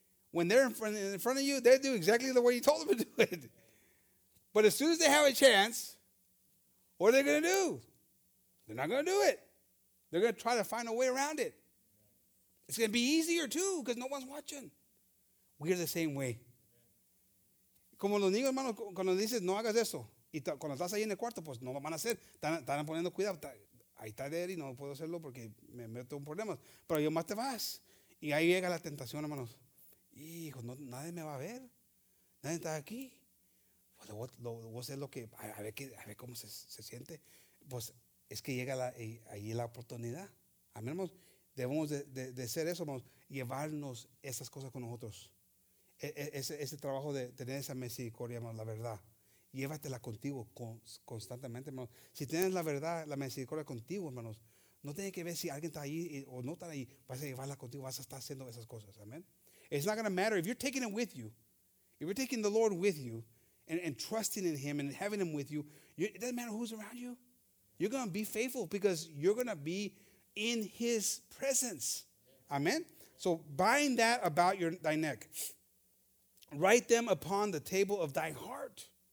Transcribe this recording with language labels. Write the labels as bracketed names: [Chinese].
[English] When they're in front of you, they do exactly the way you told them to do it. But as soon as they have a chance, what are they going to do? They're not going to do it. They're going to try to find a way around it. It's going to be easier, too, because no one's watching. We are the same way. [Spanish] Como los niños, hermanos, cuando dices, no hagas eso, y cuando estás ahí en el cuarto, pues no lo van a hacer. Están poniendo cuidado. Ahí está Daddy, no puedo hacerlo porque me meto en problemas. Pero yo más te vas. Y ahí llega la tentación, hermanos. Hijo, no, nadie me va a ver. Nadie está aquí. Pues a ver cómo se siente. Pues es que llega ahí la oportunidad. Amén, hermanos. Debemos de ser eso, hermanos, llevarnos esas cosas con nosotros. Ese trabajo de tener esa misericordia, hermanos, la verdad. Llévatela contigo constantemente, hermanos. Si tienes la verdad, la misericordia contigo, hermanos, no tiene que ver si alguien está ahí o no está ahí. Vas a llevarla contigo, vas a estar haciendo esas cosas, amén. [English] It's not going to matter. If you're taking him with you, if you're taking the Lord with you and trusting in him and having him with you, it doesn't matter who's around you. You're going to be faithful because you're going to be in his presence. Amen. So bind that about thy neck. Write them upon the table of thy heart.